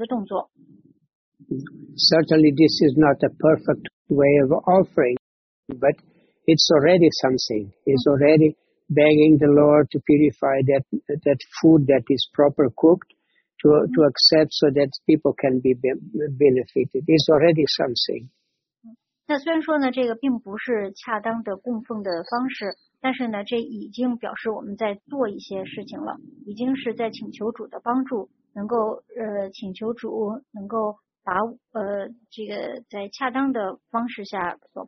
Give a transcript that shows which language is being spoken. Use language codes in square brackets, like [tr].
[zh] 接手就是请您帮助净化在这个餐厅里面用对的食物和对的这个佐料所烹制出来的食物，那么这样呢，就使所有吃到这些食物的人的内心都能够得到净化。所以说呢，可以就是简单的做这么一个动作。 [en] Certainly, this is not a perfect way of offering, but it's already something. It's already begging the Lord to purify that food that is proper cooked to accept so that people can be benefited. It's already something. [zh] 那虽然说呢，这个并不是恰当的供奉的方式，但是呢，这已经表示我们在做一些事情了，已经是在请求主的帮助，能够请求主能够把这个在恰当的方式下。